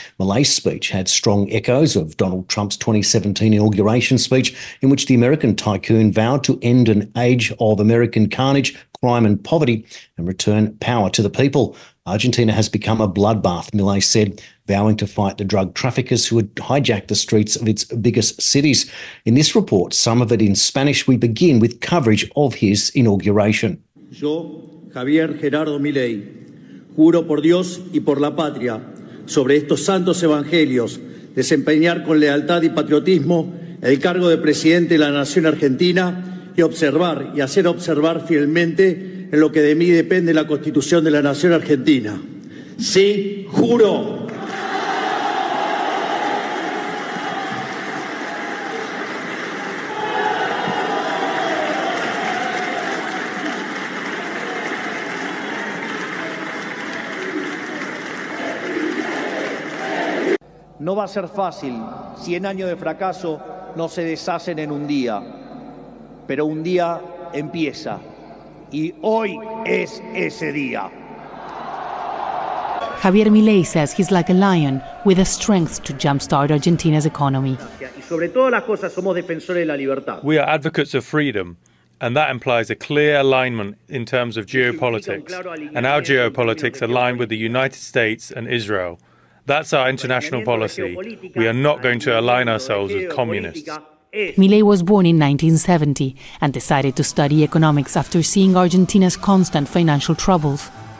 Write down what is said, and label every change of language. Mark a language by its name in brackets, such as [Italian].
[English] Milei's speech had strong echoes of Donald Trump's 2017 inauguration speech, in which the American tycoon vowed to end an age of American carnage, crime and poverty, and return power to the people. Argentina has become a bloodbath, Milei said, vowing to fight the drug traffickers who had hijacked the streets of its biggest cities. In this report, some of it in Spanish, we begin with coverage of his inauguration. [Spanish] Yo, Javier Gerardo Milei, juro por Dios y por la patria, sobre estos santos evangelios, desempeñar con lealtad y patriotismo el cargo de presidente de la Nación Argentina y observar y hacer observar fielmente en lo que de mí depende la Constitución de la Nación Argentina. Sí, juro. No va a ser fácil, 100 años de fracaso no se deshacen en un día, pero un día empieza, y hoy es ese día. [English] Javier Milei says he's like a lion with the strength to jumpstart Argentina's economy. [Spanish] Y sobre todas las cosas somos defensores de la libertad. [English] We are advocates of freedom, and that implies a clear alignment in terms of geopolitics, and our geopolitics align with the United States and Israel. That's our international policy. We are not going to align ourselves with communists. Milei was born in 1970 and decided to study economics after seeing Argentina's constant financial troubles.